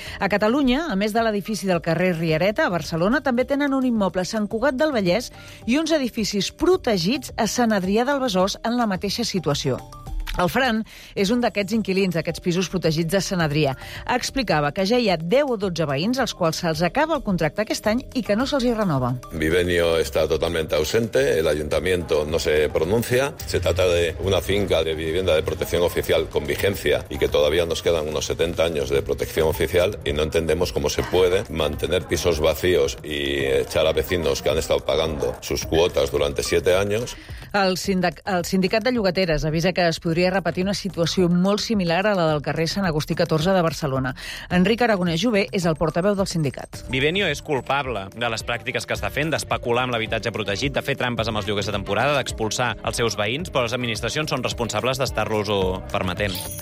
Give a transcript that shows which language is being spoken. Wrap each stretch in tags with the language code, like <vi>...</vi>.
<ca>A Catalunya, a més de l'edifici del carrer Riereta, a Barcelona, també tenen un immoble a Sant Cugat del Vallès i uns edificis protegits a Sant Adrià del Besòs en la mateixa situació. El Fran és un d'aquests inquilins, d'aquests pisos protegits de Sant Adrià. Explicava que ja hi ha 10 o 12 veïns als quals se'ls acaba el contracte aquest any i que no se'ls hi renova.</ca> <es>Vivenio está totalmente ausente, el ayuntamiento no se pronuncia. Se trata de una finca de vivienda de protección oficial con vigencia y que todavía nos quedan unos 70 años de protección oficial y no entendemos cómo se puede mantener pisos vacíos y echar a vecinos que han estado pagando sus cuotas durante 7 años.</es> <ca>El sindicat de llogateres avisa que es podria repetir una situació molt similar a la del carrer Sant Agustí 14 de Barcelona. Enric Aragonès Jové és el portaveu del sindicat. Vivenio és culpable de les pràctiques que està fent, d'especular amb l'habitatge protegit, de fer trampes amb els lloguers de temporada, d'expulsar els seus veïns, però les administracions són responsables d'estar-los o permetent.</ca>